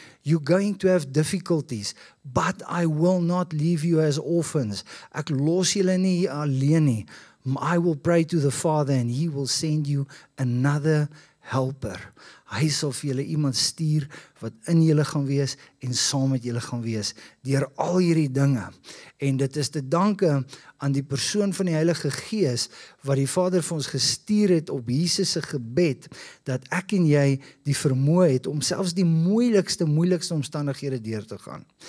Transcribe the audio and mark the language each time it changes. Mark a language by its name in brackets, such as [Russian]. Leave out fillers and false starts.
[English] You're going to have difficulties, but I will not leave you as orphans. [Afrikaans] Ek los julle nie alleen nie. [English] I will pray to the Father and he will send you another helper. [Afrikaans] Hy sal vir julle iemand stuur wat in julle gaan wees en saam met julle gaan wees deur al hierdie dinge. En dit is te danke aan die persoon van die Heilige Gees wat die Vader vir ons gestuur het op Jesus se gebed, dat ek en jy die vermoë het om selfs die moeilikste omstandighede deur te gaan.